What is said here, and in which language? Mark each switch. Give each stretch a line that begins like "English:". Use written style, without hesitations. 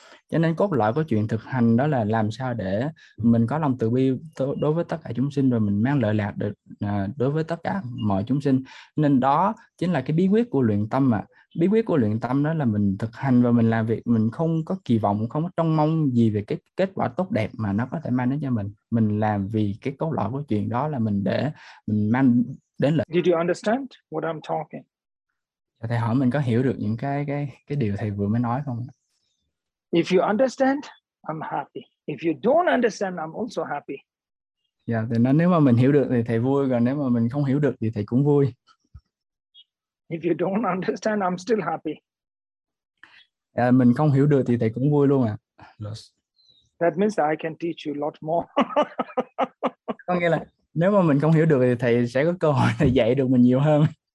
Vietnamese: Cho nên cốt lõi của chuyện thực hành đó là làm sao để mình có lòng từ bi đối với tất cả chúng sinh, rồi mình mang lợi lạc được đối với tất cả mọi chúng sinh. Nên đó chính là cái bí quyết của luyện tâm ạ. Bí quyết của luyện tâm đó là mình thực hành và mình làm việc, mình không có kỳ vọng, không có trông mong gì về cái kết quả tốt đẹp mà nó có thể mang đến cho mình. Mình làm vì cái cốt lõi của chuyện đó là mình để mình mang đến lợi.
English: Did you understand what I'm talking?
Vietnamese: Thầy hỏi mình có hiểu được những cái điều thầy vừa mới nói không?
English: If you understand, I'm happy. If you don't understand, I'm also happy.
Vietnamese: Yeah, thì nói nếu mà mình hiểu được thì thầy vui, còn nếu mà mình không hiểu được thì thầy cũng vui.
English: If you don't understand, I'm still happy.
Vietnamese: Yeah, mình không hiểu được thì thầy cũng vui luôn ạ.
English: That means that I can teach you a lot more.
Vietnamese: Có nghĩa là nếu mà mình không hiểu được thì thầy sẽ có cơ hội thầy dạy được mình nhiều hơn.